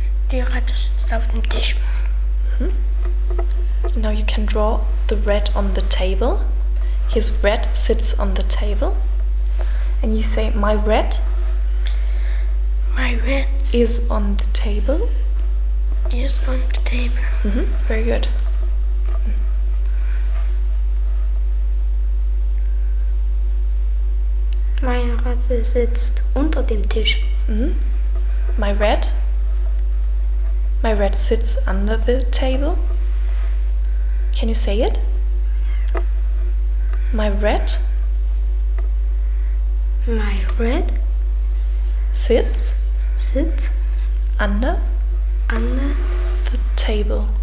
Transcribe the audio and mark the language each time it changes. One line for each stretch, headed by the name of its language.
German: Die Ratte sitzt auf dem Tisch.
English: Now you can draw the rat on the table. His rat sits on the table. And you say, my rat is on the table. Is on the table. Very good.
German: Meine Ratte sitzt unter dem Tisch.
English: My rat sits under the table. Can you say it? My rat sits under the table.